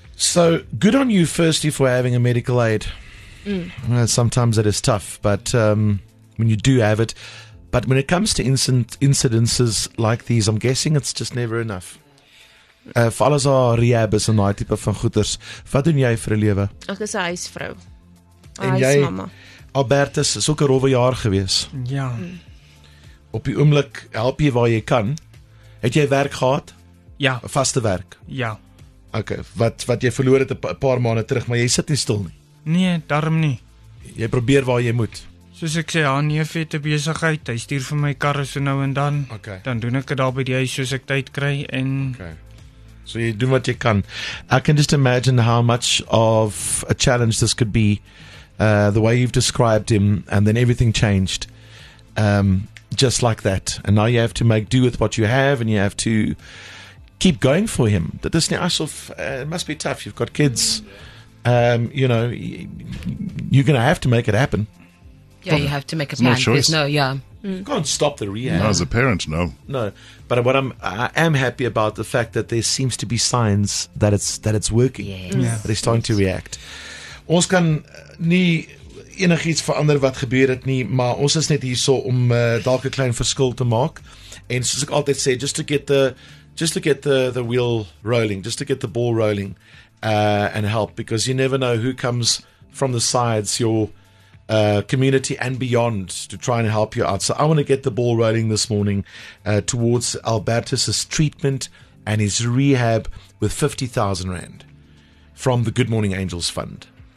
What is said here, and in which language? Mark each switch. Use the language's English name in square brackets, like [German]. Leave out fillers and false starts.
[English] So, good on you firstly for having a medical aid. Sometimes it is tough, but when you do have it, but when it comes to incidences like these, I'm guessing it's just never enough. [Afrikaans] Vir alles al rehab is en die type van goeders, wat doen jy vir 'n lewe? Ek is 'n huisvrou. En jy, Albertus, is ook 'n rowwe jaar gewees. Ja. Op die oomblik help jy waar jy kan. Het jy werk gehad? Ja. Vaste werk? Ja. Okay, wat jy verloor het 'n paar maande terug, maar jy sit nie stil nie. Nee, daarom nie. Jy probeer waar jy moet. Soos ek sê, haar neef het 'n besigheid, hy stuur vir my karre so nou en dan. Okay. Dan doen ek dit daar by die huis soos ek tyd kry en... [English] Okay. So you do what you can. I can just imagine how much of a challenge this could be, the way you've described him, and then everything changed, just like that. And now you have to make do with what you have, and you have to keep going for him. That this it must be tough. You've got kids, you know, you're going to have to make it happen. Yeah, you have to make a plan. There's no, yeah. You can't stop the rehab. No, as a parent, no. No, but what I am happy about the fact that there seems to be signs that it's working. Yes. Yeah. They're starting to react. [Afrikaans] Ons kan nie enigiets verander wat gebeur het nie, maar ons is net hierso om dalk 'n klein verskil te maak. En soos ek altyd sê, [English] just to get the wheel rolling, just to get the ball rolling, and help, because you never know who comes from the sides, your community and beyond, to try and help you out. So I want to get the ball rolling this morning towards Albertus's treatment and his rehab with 50,000 rand from the Good Morning Angels Fund.